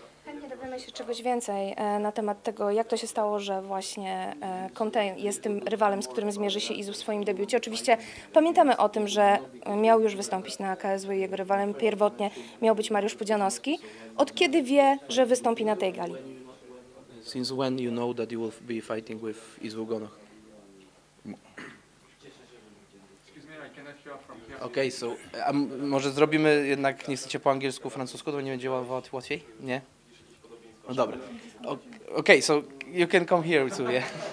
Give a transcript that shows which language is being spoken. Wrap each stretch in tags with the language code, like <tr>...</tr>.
<pl>Chętnie dowiemy się czegoś więcej na temat tego, jak to się stało, że właśnie Conte jest tym rywalem, z którym zmierzy się Izu w swoim debiucie. Oczywiście pamiętamy o tym, że miał już wystąpić na KSW i jego rywalem pierwotnie miał być Mariusz Pudzianowski. Od kiedy wie, że wystąpi na tej gali?</pl> <en>Since when you know that you will be fighting with Izu Gonoch? Okay, so</en> <pl>może zrobimy jednak niestety po angielsku, francusku, to nie będzie łatwiej? Nie? No dobra.</pl> <en>Okay, so you can come here too, yeah.</en>